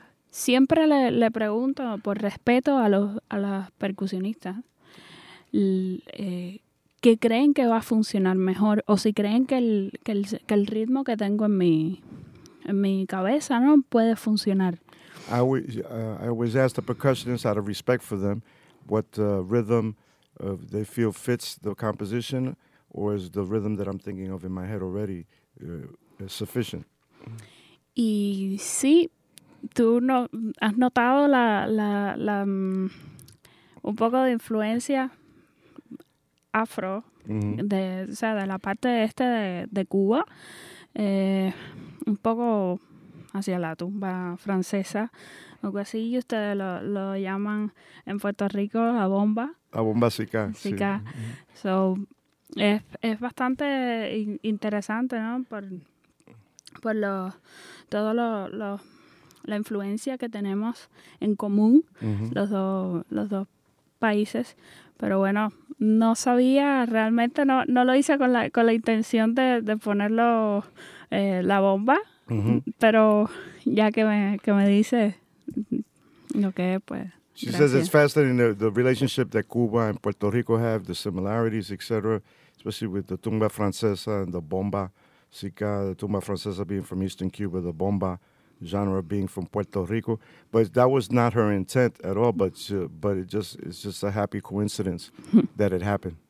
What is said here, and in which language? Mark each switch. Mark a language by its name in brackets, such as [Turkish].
[Spanish] Siempre le pregunto, por respeto a los percusionistas, ¿qué creen que va a funcionar mejor? O si creen que el ritmo que tengo en mi cabeza, ¿no?, puede funcionar. [English] I always ask the percussionists, out of respect for them, what rhythm they feel fits the composition, or is the rhythm that I'm thinking of in my head already sufficient? [Spanish] Y sí, tú no has notado la un poco de influencia afro, mm-hmm. de la parte este de Cuba, un poco hacia la tumba francesa, algo así, y ustedes lo llaman en Puerto Rico la bomba. La bomba sica. Sica. Sí. So, es bastante interesante, ¿no? Por lo, todo lo la influencia que tenemos en común, uh-huh. los dos países. Pero bueno, no sabía realmente, no lo hice con la intención de ponerlo la bomba, uh-huh. pero ya que me dice lo que es, pues. [English] She says it's fascinating the relationship that Cuba and Puerto Rico have, the similarities, etc., especially with the tumba francesa and the bomba sica, the tumba francesa being from eastern Cuba, the bomba genre being from Puerto Rico. But that was not her intent at all, but it's just a happy coincidence that it happened.